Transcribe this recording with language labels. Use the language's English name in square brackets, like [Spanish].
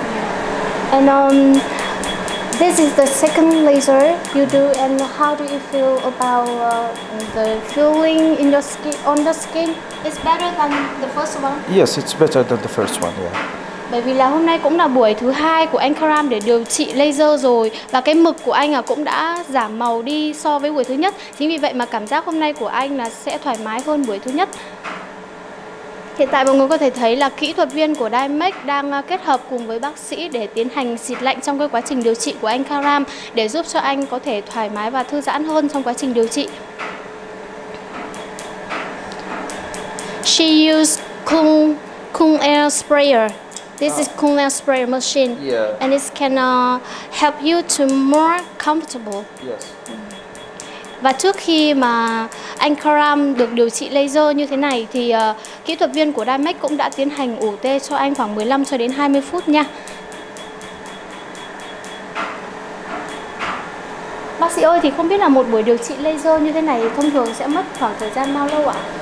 [English] Yeah. And this is the second laser you do. And how do you feel about the feeling in your skin? On the skin, it's better than the first one. Yes, it's better than the first one. Yeah. [Vietnamese] Bởi vì là hôm nay cũng là buổi thứ hai của anh Karam để điều trị laser rồi và cái mực của anh cũng đã giảm màu đi so với buổi thứ nhất. Chính vì vậy mà cảm giác hôm nay của anh là sẽ thoải mái hơn buổi thứ nhất. Hiện tại mọi người có thể thấy là kỹ thuật viên của Dimec đang kết hợp cùng với bác sĩ để tiến hành xịt lạnh trong cái quá trình điều trị của anh Karam để giúp cho anh có thể thoải mái và thư giãn hơn trong quá trình điều trị. [English] She used cool air sprayer. This is cool air sprayer machine. Yeah. And it can help you to more comfortable. Yes. [Vietnamese] Và trước khi mà anh Karam được điều trị laser như thế này thì kỹ thuật viên của Dimec cũng đã tiến hành ủ tê cho anh khoảng 15 cho đến 20 phút nha. Bác sĩ ơi, thì không biết là một buổi điều trị laser như thế này thông thường sẽ mất khoảng thời gian bao lâu ạ?